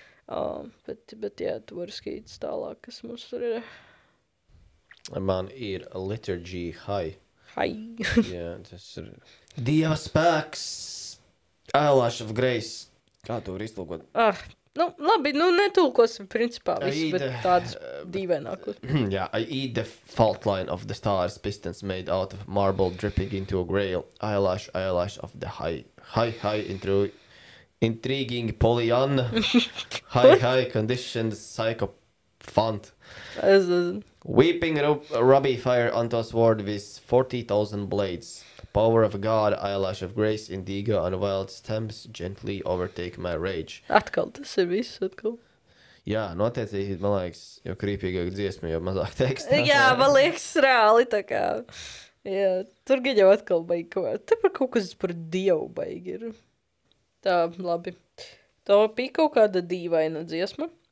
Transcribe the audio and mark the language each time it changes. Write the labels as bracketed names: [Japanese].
[Latvian] Bet jā, tu vari skaitīt tālāk, kas mums tur ir. Man ir liturgy high. High. Jā, tas ir Dieva spēks, Eyelash of Grace. Kā tu var izlūkot? Ah, Nu, labi, nu netulkosim principā visu, bet tādus dīvainākus. [English] Jā, I eat the fault line of the stars, pistons made out of marble dripping into a grail, eyelash, eyelash of the high intriguing Pollyanna, high conditioned psycho font. Weeping ruby fire onto a sword with 40,000 blades. Power of God, eyelash of grace, indigo and wild stems gently overtake my rage. [Latvian] Atkal tas ir viss, atkal. Jā, nu attiecīgi, man liekas, jo krīpīgāk dziesma, jo mazāk teksts. Jā, man liekas, reāli tā kā. Jā, tur gan jau atkal baigi kaut kas. Te par kaut kas par dievu baigi ir. Tā, labi. To bija kaut kāda dīvaina dziesma.